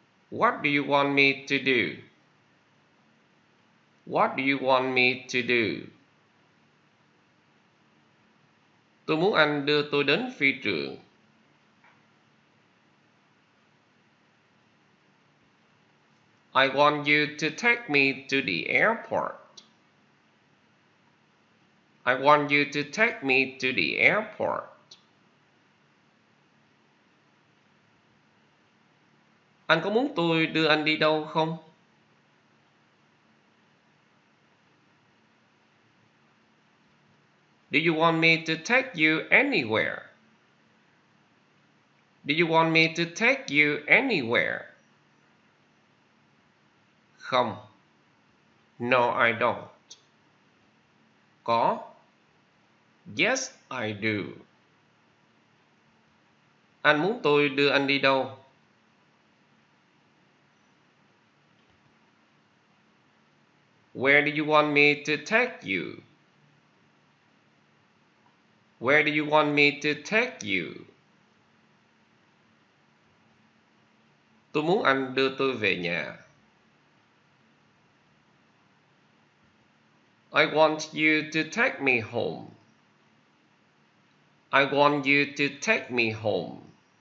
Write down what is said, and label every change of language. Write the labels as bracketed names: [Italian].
[English] What do you want me to do? What do you want me to do? [Vietnamese] Tôi muốn anh đưa tôi đến phi trường. [English] I want you to take me to the airport. I want you to take me to the airport. [Vietnamese] Anh có muốn tôi đưa anh đi đâu không? [English] Do you want me to take you anywhere? Do you want me to take you anywhere? [Vietnamese] Không. [English] No, I don't. [Vietnamese] Có. [English] Yes, I do. [Vietnamese] Anh muốn tôi đưa anh đi đâu? [English] Where do you want me to take you? Where do you want me to take you? [Vietnamese] Tôi muốn anh đưa tôi về nhà. [English] I want you to take me home. I want you to take me home.